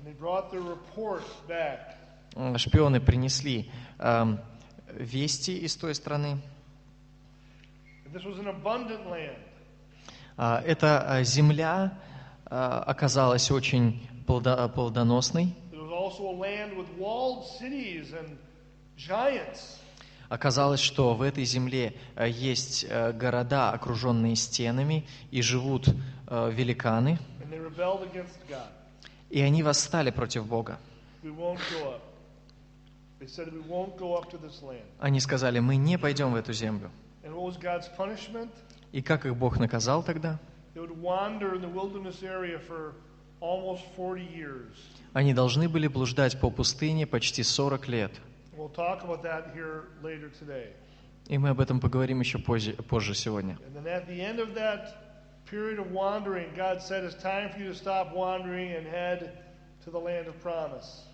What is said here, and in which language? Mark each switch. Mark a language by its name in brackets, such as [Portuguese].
[Russian] Шпионы принесли вести из той страны. [English] This was an abundant land. [Russian] Эта земля оказалась очень плодоносной. [English] also a land with walled cities and giants. [Russian] Оказалось, что в этой земле есть города, окруженные стенами, и живут великаны. [English] And they rebelled against God. [Russian] И они восстали против Бога. [English] We won't go up. They said we won't go up to this land. [Russian] Они сказали, мы не пойдем в эту землю. [English] And what was God's punishment? [Russian] И как их Бог наказал тогда? [English] They would wander in the wilderness area for almost 40 years. [Russian] Они должны были блуждать по пустыне почти 40 лет. [English] We'll talk about that here later today. [Russian] И мы об этом поговорим еще позже сегодня. [English] And then at the end of that period of wandering, God said, "It's time for you to stop wandering and head to the land of promise."